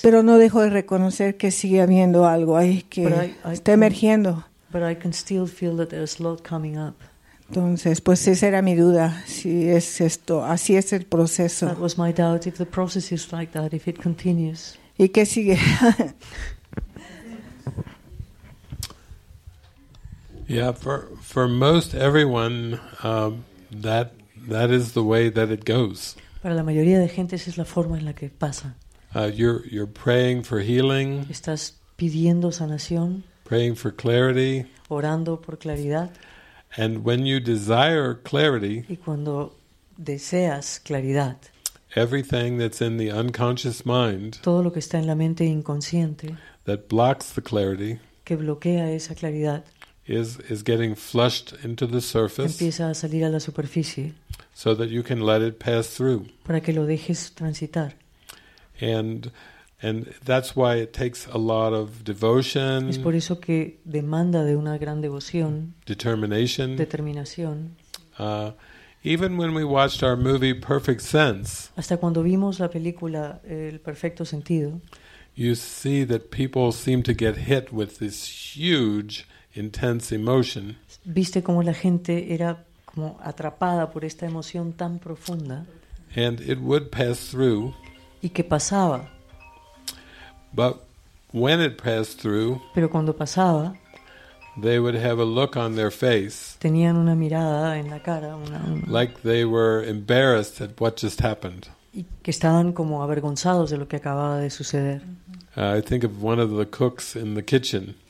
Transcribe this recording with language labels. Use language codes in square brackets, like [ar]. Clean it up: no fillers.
[es] Pero no dejo de reconocer que sigue habiendo algo ahí que está emergiendo. [en] But I can still feel that there's a lot coming up. [es] Entonces, pues esa era mi duda, si es esto, así es el proceso. [en] That was my doubt, if the process is like that, if it continues. [es] ¿Y qué sigue? [en] Yeah, for most everyone, that is the way that it goes. [es] Para la mayoría de gente esa es la forma en la que pasa. [en] You're praying for healing. [es] Estás pidiendo sanación. [en] Praying for clarity. [es] Orando por claridad. [en] And when you desire clarity, [es] y cuando deseas claridad, [en] everything that's in the unconscious mind, [es] todo lo que está en la mente inconsciente, [en] that blocks the clarity, [es] que bloquea esa claridad, [en] is getting flushed into the surface, [es] empieza a salir a la superficie, [en] so that you can let it pass through, [es] para que lo dejes transitar. [en] And that's why it takes a lot of devotion. [es] Es por eso que demanda de una gran devoción. [en] Determination. [es] Determinación. [en] Even when we watched our movie Perfect Sense. [es] Hasta cuando vimos la película El Perfecto Sentido. [en] You see that people seem to get hit with this huge, intense emotion. [es] Viste cómo la gente era como atrapada por esta emoción tan profunda. [en] And it would pass through. [es] Y que pasaba. [en] But when it passed through, [es] pero cuando pasaba, [en] they would have a look on their face, [es] tenían una mirada en la cara, una, [en] like they were embarrassed at what just happened. [es] Y que estaban como avergonzados de lo que acababa de suceder. [en] I think of one of the cooks in the kitchen.